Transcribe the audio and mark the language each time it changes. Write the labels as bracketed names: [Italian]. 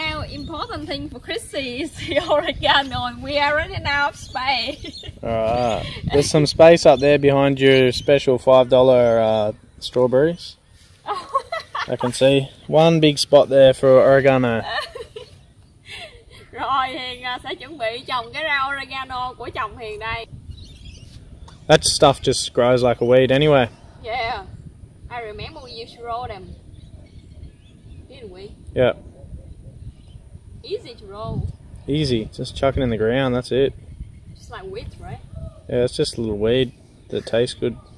[English] Important thing for Chrissy is the oregano, and we are running out of space. Alright, there's some space up there behind your special $5 strawberries. I can see one big spot there for oregano. [Vietnamese] Rồi, Hiền sẽ chuẩn bị trồng cái rau oregano của chồng Hiền đây. [English] That stuff just grows like a weed anyway. Yeah, I remember we used to grow them, didn't we? Yeah. Easy to roll. Easy, just chuck it in the ground, that's it. Just like wheat, right? Yeah, it's just a little weed that tastes good.